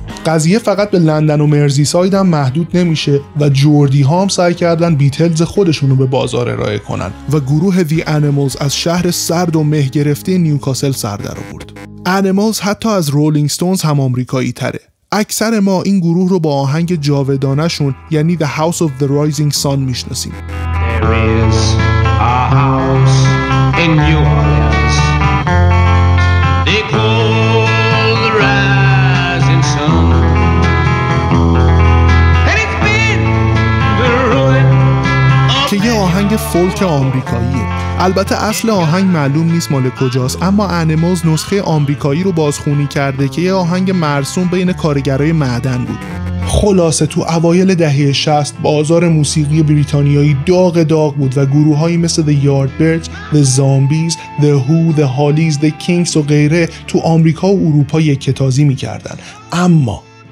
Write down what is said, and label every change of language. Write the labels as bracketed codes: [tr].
[fa] قضیه فقط به لندن و مرزی ساید هم محدود نمیشه و جوردی ها هم سعی کردن بیتلز خودشونو به بازار ارائه کنن و گروه دی انیملز از شهر سرد و مه گرفته نیوکاسل سر در آورد. انیملز حتی از رولینگ ستونز هم آمریکایی تره. اکثر ما این گروه رو با آهنگ جاودانه شون یعنی The House of the Rising Sun میشناسیم. [en] There is a house in New Orleans. They call the rising sun. And it's been the ruin of [fa] که یه آهنگ فولک آمریکاییه. البته اصل آهنگ معلوم نیست مال کجاست، اما انیملز نسخه آمریکایی رو بازخونی کرده که یه آهنگ مرسوم بین کارگرای معدن بود. خلاصه تو اوایل دهه 60 بازار موسیقی بریتانیایی داغ داغ بود و گروهایی مثل The Yardbirds، The Zombies، The Who، The Hollies، The Kinks و غیره تو آمریکا و اروپا یکتازی می‌کردن. اما